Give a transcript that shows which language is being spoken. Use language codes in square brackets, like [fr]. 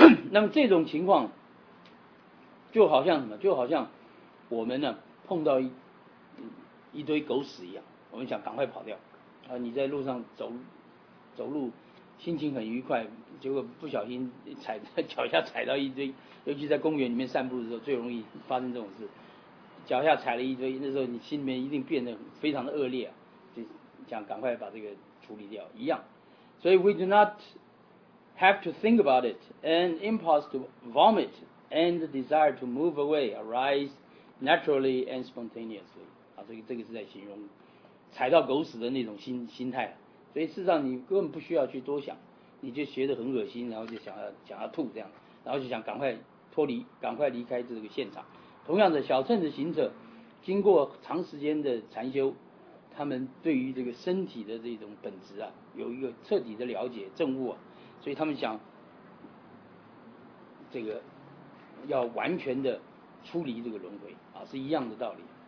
[zh] 那么这种情况就好像什么，就好像我们呢碰到一堆狗屎一样，我们想赶快跑掉啊，你在路上走路心情很愉快，结果不小心脚下踩到一堆，尤其在公园里面散步的时候最容易发生这种事，脚下踩了一堆，那时候你心里面一定变得非常的恶劣，就想赶快把这个处理掉一样。所以 [en] we do not have to think about it, an impulse to vomit and the desire to move away arise naturally and spontaneously. [zh] 啊，这个是在形容踩到狗屎的那种心态。所以事实上你根本不需要去多想，你就觉得很恶心，然后就想要吐这样，然后就想赶快脱离，赶快离开这个现场。同样的，小乘的行者经过长时间的禅修，他们对于这个身体的这种本质啊有一个彻底的了解证悟啊，所以他们想这个要完全的出离这个轮回啊，是一样的道理。